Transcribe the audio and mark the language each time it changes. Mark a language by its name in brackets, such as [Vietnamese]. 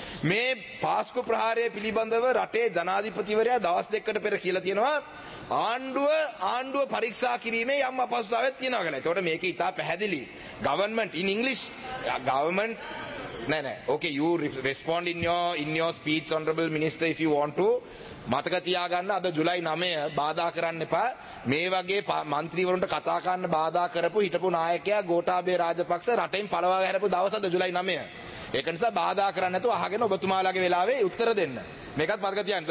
[Sinhala] මේ පාස්කු ප්‍රහාරය පිළිබඳව රටේ ජනාධිපතිවරයා දවස් දෙකකට පෙර කියලා තියෙනවා ආණ්ඩුව පරීක්ෂා කිරීමේ යම් අපහසුතාවයක් තියෙනවා කියලා. ඒතකොට මේක ඉතා පැහැදිලි. [English] Government in English, government, නෑ. Okay, you respond in your speech, honorable minister, if you want to. [Sinhala] මතක තියාගන්න අද ජූලයි 9 බාධා කරන්න එපා. මේ වගේ මන්ත්‍රීවරුන්ට කතා කරන්න බාධා කරපු හිටපු නායකයා ගෝඨාභය රාජපක්ෂ රටෙන් පළවා ගහපු දවස අද ජූලයි 9. ඒක නිසා බාධා කරන්න නැතුව අහගෙන ඔබතුමාලාගේ වෙලාවේ උත්තර දෙන්න. මේකත් මතක තියාගන්න.